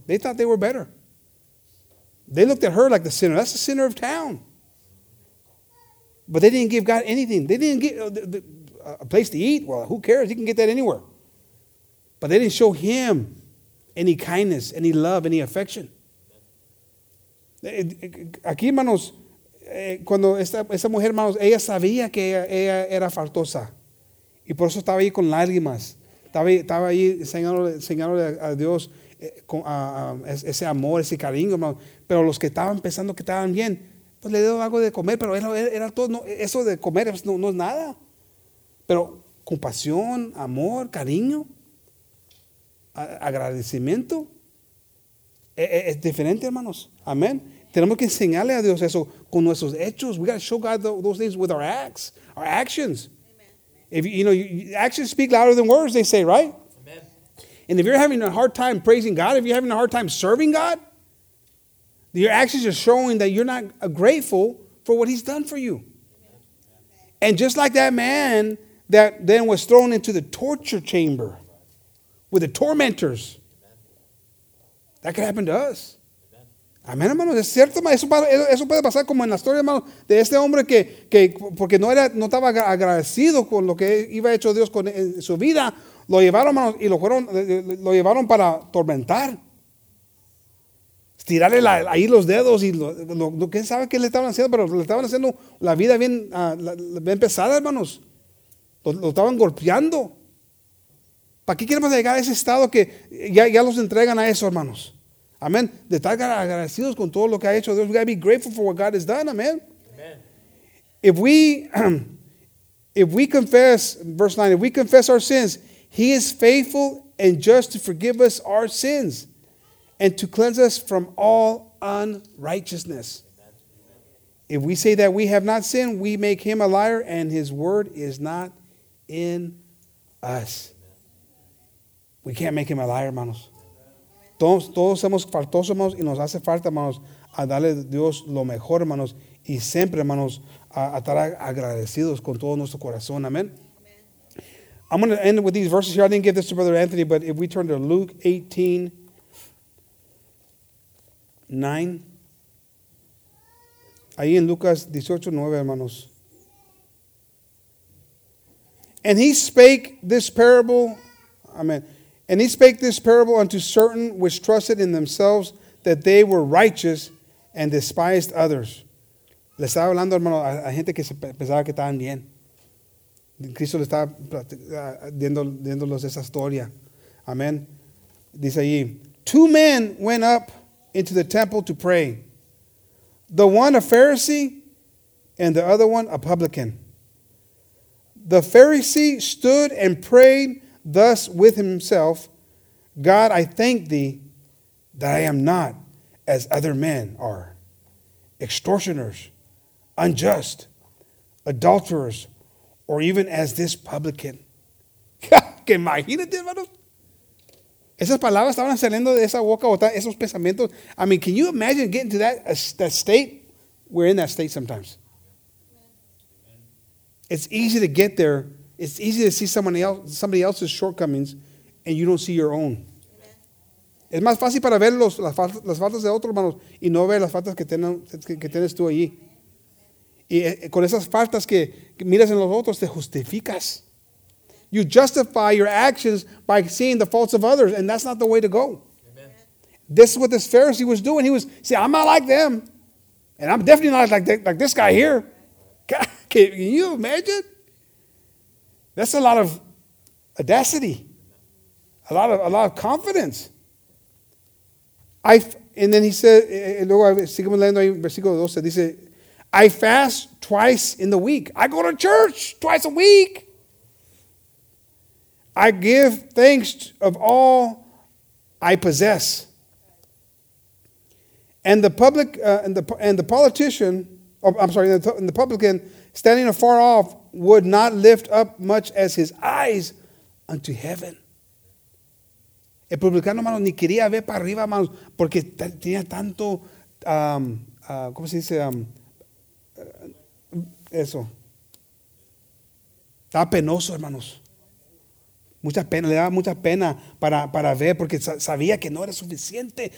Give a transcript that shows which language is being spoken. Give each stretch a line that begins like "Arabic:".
English: They thought they were better. They looked at her like the sinner. That's the sinner of town. But they didn't give God anything. They didn't get a place to eat. Well, who cares? He can get that anywhere. But they didn't show him any kindness, any love, any affection.
Spanish: Aquí, hermanos, cuando esta mujer, hermanos, ella sabía que ella era faltosa. Y por eso estaba ahí con lágrimas. Estaba ahí enseñándole a Dios ese amor, ese cariño, hermanos. Pero los que estaban pensando que estaban bien, pues le dio algo de comer, pero era todo, no, eso de comer no es nada. Pero compasión, amor, cariño, agradecimiento, es diferente, hermanos. Amén. Tenemos que enseñarle a Dios eso con nuestros hechos.
English: We got to show God those things with our acts, our actions. Amen. If you know, actions speak louder than words, they say, right? Amen. And if you're having a hard time praising God, if you're having a hard time serving God, your actions are showing that you're not grateful for what he's done for you. Amen. And just like that man that then was thrown into the torture chamber with the tormentors, amen, that could happen to us.
Spanish: Amén, hermano, es cierto, eso puede pasar como en la historia, hermano, de este hombre que porque no estaba agradecido con lo que iba hecho Dios con en su vida, lo llevaron, hermano, y lo llevaron para tormentar. Estirarle ahí los dedos y lo quién sabe qué le estaban haciendo, pero le estaban haciendo la vida bien, bien pesada, hermanos. Lo estaban golpeando. ¿Para qué queremos llegar a ese estado que ya los entregan a eso, hermanos?
English: Amen.
Spanish: De estar agradecidos con todo lo que ha hecho Dios.
English: We got to be grateful for what God has done. Amen. Amen. If we confess, verse 9, if we confess our sins, he is faithful and just to forgive us our sins and to cleanse us from all unrighteousness. Amen. If we say that we have not sinned, we make him a liar and his word is not in us. Amen. We can't make him a liar, hermanos.
Spanish: Todos somos faltosos, hermanos, y nos hace falta, hermanos, a darle a Dios lo mejor, hermanos, y siempre, hermanos, a estar agradecidos con todo nuestro corazón. Amén.
English: I'm going to end with these verses here. I didn't give this to Brother Anthony, but if we turn to Luke 18, 9.
Spanish: Ahí en Lucas 18, 9, hermanos.
English: And he spake this parable, amen. And he spake this parable unto certain which trusted in themselves that they were righteous and despised others.
Spanish: Le estaba hablando, hermano, a gente que se pensaba que estaban bien. Cristo le estaba dándolos esa historia. Amén. Dice allí,
English: two men went up into the temple to pray. The one a Pharisee and the other one a publican. The Pharisee stood and prayed thus with himself, God, I thank thee that I am not as other men are, extortioners, unjust, adulterers, or even as this publican.
Spanish: ¿Qué imagínate, hermano? Esas palabras estaban saliendo de esa boca, esos pensamientos.
English: I mean, can you imagine getting to that state? We're in that state sometimes. It's easy to get there. It's easy to see somebody else's shortcomings, and you don't see your own.
Spanish: Es más fácil para ver las faltas de otros, hermanos, y no ver las faltas que tienes tú allí. Y con esas faltas que miras en los otros, te justificas.
English: You justify your actions by seeing the faults of others, and that's not the way to go. Amen. This is what this Pharisee was doing. He was saying, I'm not like them, and I'm definitely not like this guy here. Can you imagine? That's a lot of audacity, a lot of confidence. And then he said,
Spanish: luego seguimos leyendo ahí, versículo 12, dice,
English: I fast twice in the week. I go to church twice a week. I give thanks of all I possess. And the public the publican standing afar off would not lift up much as his eyes unto heaven.
Spanish: El publicano, hermano, ni quería ver para arriba, hermano, porque tenía tanto ¿cómo se dice? Eso. Estaba penoso, hermanos. Mucha pena, le daba mucha pena para ver, porque sabía que no era suficiente.